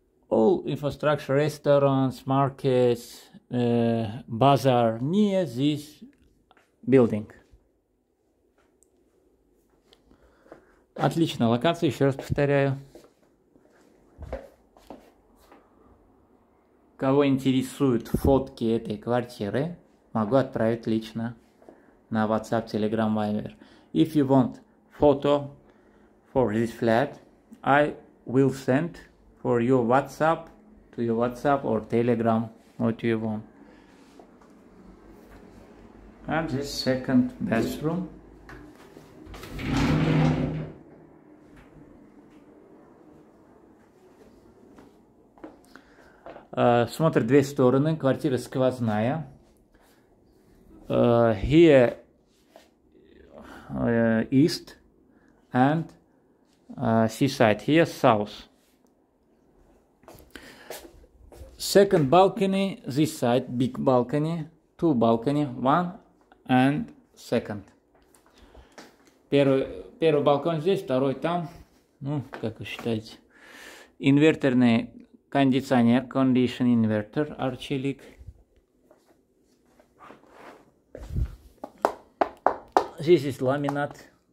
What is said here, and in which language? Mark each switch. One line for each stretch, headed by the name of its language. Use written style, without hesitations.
English: All infrastructure, restaurants, markets, bazaar near this building.
Russian: Отличная локация, еще раз повторяю. Кого интересуют фотки этой квартиры, могу отправить лично на WhatsApp, Telegram, Viber.
English: If you want photo for this flat, I will send for your WhatsApp, to your WhatsApp or Telegram, what you want. And this second bathroom.
Russian: Смотрит две стороны, квартира сквозная.
English: Here, east and seaside, here south. Second balcony, this side, big balcony, two balcony, one and second.
Russian: Первый балкон здесь, второй там. Ну, как вы считаете? Инверторный кондиционер,
English: condition inverter,
Russian: Archilic.
English: This is laminate.